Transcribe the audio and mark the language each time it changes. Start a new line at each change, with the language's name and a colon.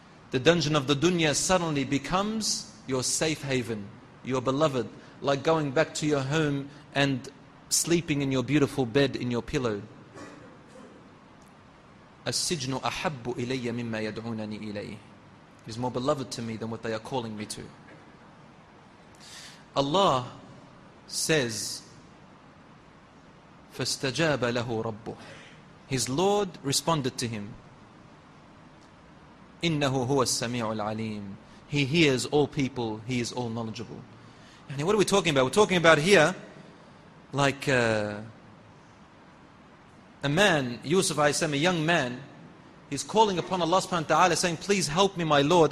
English: The dungeon of the dunya suddenly becomes your safe haven, your beloved, like going back to your home and sleeping in your beautiful bed, in your pillow.
Arabic: As-sijnu ahabbu ilayya mimma yad'unani ilayhi. Is
English: more beloved to me than what they are calling me to. Allah says,
Arabic: فَاسْتَجَابَ لَهُ رَبُّهُ.
English: His Lord responded to him,
Arabic: إِنَّهُ هُوَ السَّمِيعُ الْعَلِيمُ.
English: He hears all people, he is all knowledgeable. And what are we talking about? We're talking about here, like a man, Yusuf alayhi salam, a young man, he's calling upon Allah subhanahu wa ta'ala saying, please help me my Lord.